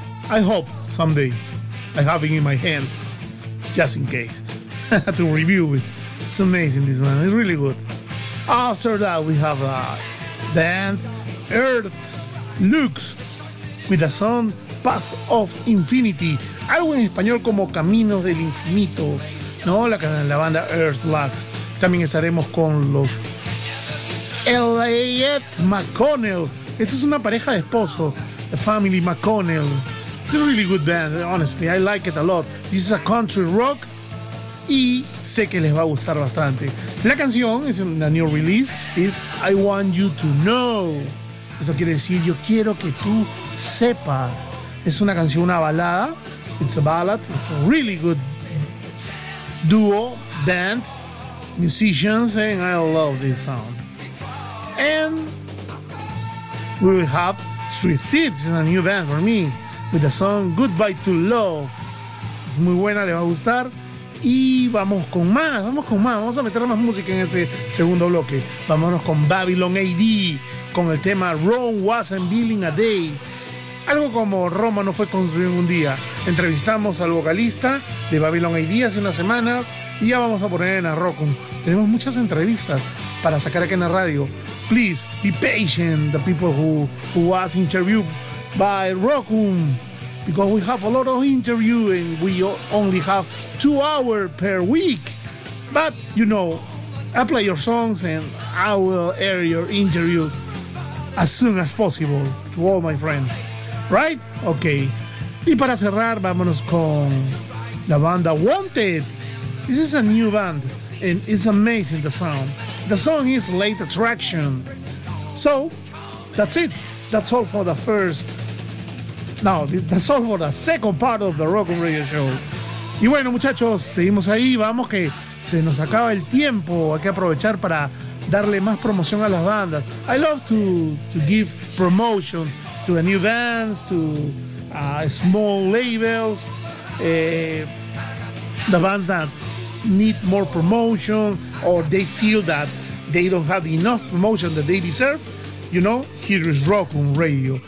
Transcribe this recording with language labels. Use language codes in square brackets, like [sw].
[en] I hope someday I have it in my hands, just in case. To review it. It's amazing, this man. It's really good. After that, we have band Earth Lux with the song Path of Infinity. [es] Algo en español como Camino del Infinito, ¿no? La banda Earth Lux. También estaremos con los Elliot McConnell. Esto es una pareja de esposo, [en] the Family McConnell. It's a really good band, honestly. I like it a lot. This is a country rock. [es] Y sé que les va a gustar bastante. La canción es una [en] new release. [es] Es I Want You To Know. Eso quiere decir yo quiero que tú sepas. Es una canción, una balada. [en] It's a ballad. It's a really good duo, band, musicians. And I love this song. And we will have Sweet Feet. This is a new band for me with the song Goodbye to Love. [es] Es muy buena, le va a gustar. Y vamos con más, vamos con más. Vamos a meter más música en este segundo bloque. Vámonos con Babylon AD, con el tema Rome Wasn't Built in a Day. Algo como Roma no fue construido en un día. Entrevistamos al vocalista de Babylon AD hace unas semanas y ya vamos a poner en Arrocum. Tenemos muchas entrevistas para sacar aquí en la radio. [en] Please be patient, the people who was interviewed by Rocum, because we have a lot of interviews and we only have 2 hours per week. But, you know, I play your songs and I will air your interview as soon as possible to all my friends. Right? Okay. [es] Y para cerrar, vámonos con la banda Wanted. [en] This is a new band and it's amazing, the sound. The song is Late Attraction. So, that's it. That's all for the first... No, that's all for the second part of the Rock and Radio Show. [es] Y bueno, muchachos, seguimos ahí. Vamos que se nos acaba el tiempo. Hay que aprovechar para darle más promoción a las bandas. [en] I love to give promotion to the new bands, to small labels, the bands that need more promotion or they feel that they don't have enough promotion that they deserve, you know, here is Rockum Radio.